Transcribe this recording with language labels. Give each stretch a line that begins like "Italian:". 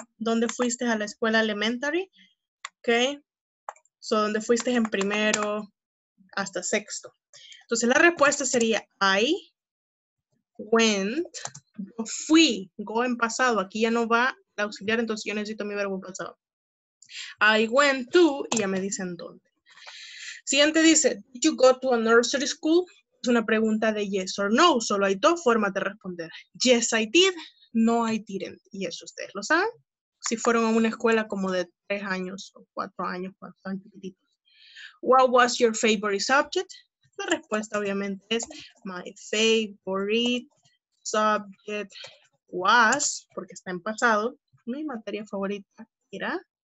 Spanish: ¿Dónde fuiste a la escuela elementary? Ok, so, ¿dónde fuiste en primero hasta sexto? Entonces la respuesta sería I went, yo fui, go en pasado, aquí ya no va el auxiliar, entonces yo necesito mi verbo en pasado.
English: I went to,
Spanish: y ya me dicen dónde. Siguiente dice,
English: did you go to a nursery school?
Spanish: Es una pregunta de
English: yes or no,
Spanish: solo hay dos formas de responder.
English: Yes, I did, no, I didn't,
Spanish: y eso ustedes lo saben. Si fueron a una escuela como de 3 años o 4 años, bastante chiquititos.
English: What was your favorite subject?
Spanish: La respuesta obviamente es
English: my favorite subject was,
Spanish: porque está en pasado, mi materia favorita era.